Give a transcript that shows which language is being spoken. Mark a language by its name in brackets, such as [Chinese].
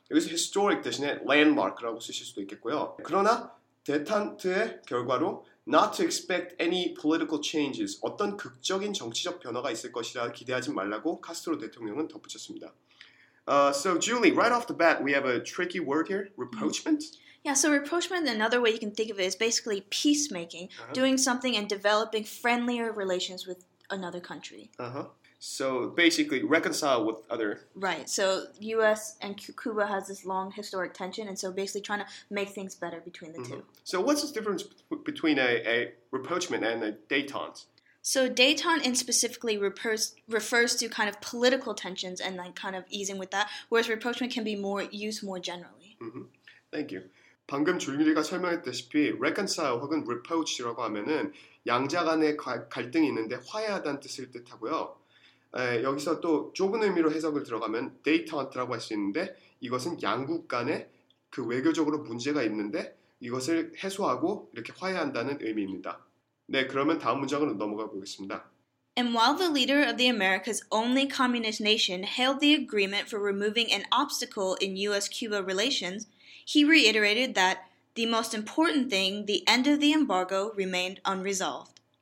[Korean] 여기서 historic 대신에 landmark라고 쓰실 수도 있겠고요. 그러나 대탄트의 결과로 Not to expect any political changes. 어떤 극적인 정치적 변화가 있을 것이라 기대하지 말라고 카스트로 대통령은 덧붙였습니다. [English] So Julie, right off the bat, we have a tricky word here, rapprochement? Yeah, so rapprochement, another way you can think of it is basically peacemaking, doing something and developing friendlier relations with another country. So basically reconcile with other... Right, so U.S. and Cuba has this long historic tension, and so basically trying to make things better between the two. So what's the difference between a rapprochement and a détente? So détente in specifically refers to kind of political tensions and like kind of easing with that, whereas rapprochement can be more used more generally. [Korean] Thank you. 방금 줄리가 설명했듯이 reconcile 혹은 rapproach라고 하면은 양자 간의 갈등이 있는데 화해하다는 뜻을 뜻하고요. 에, 여기서 또 좁은 의미로 해석을 들어가면 데이터한트라고 할 수 있는데 이것은 양국 간에 그 외교적으로 문제가 있는데 이것을 해소하고 이렇게 화해한다는 의미입니다. 네, 그러면 다음 문장으로 넘어가 보겠습니다. [English] And while the leader of the America's only communist nation hailed the agreement for removing an obstacle in U.S.-Cuba relations, he reiterated that the most important thing, the end of the embargo, remained unresolved.